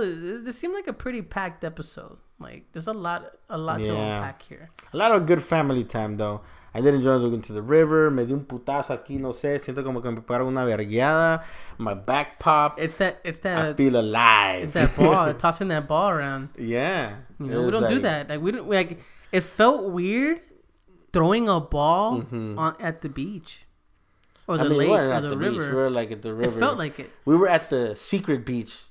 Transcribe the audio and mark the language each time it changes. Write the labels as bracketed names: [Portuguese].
[English] This seemed like a pretty packed episode. Like there's a lot to unpack here. A lot of good family time though. I did enjoy looking to the river. [Spanish] Me di un putazo aquí, no sé. Siento como que me pegaron una vergueada. [English] My back pop. It's that. I feel alive. It's that ball. Tossing that ball around. Yeah. You know, we don't like, do that. Like we don't. Like it felt weird throwing a ball at the beach or the lake or the river. We were like at the river. It felt like it. We were at the secret beach.